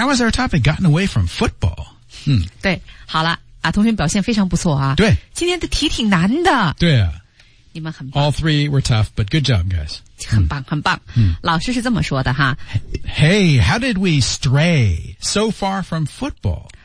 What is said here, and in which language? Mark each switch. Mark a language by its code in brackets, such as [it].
[en] How has our topic gotten away from football? [zh] 对，好了啊，同学表现非常不错啊。对，今天的题挺难的。对啊，你们很棒。 [en] All three were tough, but good job, guys. [zh] 很棒，很棒。老师是这么说的哈。 [en] Hey, how did we stray so far from football?